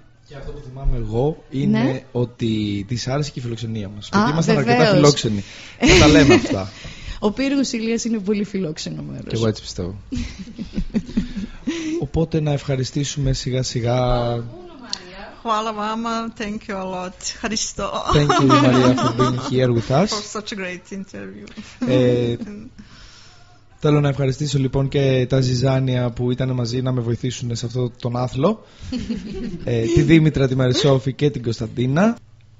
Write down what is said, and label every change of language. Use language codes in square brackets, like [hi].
[el] Και αυτό που θυμάμαι εγώ είναι ότι της άρεσε και η φιλοξενία μας. Α, γιατί είμαστε αρκετά φιλόξενοι. Να τα λέμε αυτά. Ο πύργος Ηλίας είναι πολύ φιλόξενο μέρος. Και εγώ έτσι πιστεύω. Οπότε να ευχαριστήσουμε σιγά σιγά. [en] Hello, Mama. Thank you a lot. [el] Ευχαριστώ. [en] Thank you, Maria, for being here with us. For such a great interview. [el] Θέλω να ευχαριστήσω λοιπόν και τα Ζιζάνια που ήταν μαζί να με βοηθήσουν σε αυτό τον άθλο. τη Δήμητρα, τη Μαρισόφη και την Κωνσταντίνα.